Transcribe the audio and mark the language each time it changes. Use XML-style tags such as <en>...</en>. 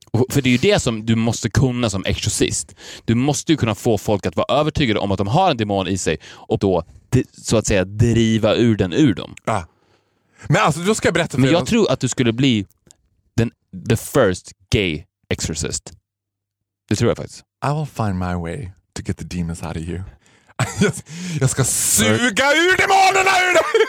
<sv>För det är ju det som du måste kunna som exorcist. Du måste ju kunna få folk att vara övertygade om att de har en demon i sig och då, så att säga, driva ur den ur dem. Ja. Men alltså, då ska jag berätta för dig. Men jag tror att du skulle bli</sv> <en>the first gay exorcist.</en> <sv>Det tror jag faktiskt.</sv> <en>I will find my way to get the demons out of you.</en> <sv>Jag ska suga ur demonerna ur dem!</sv>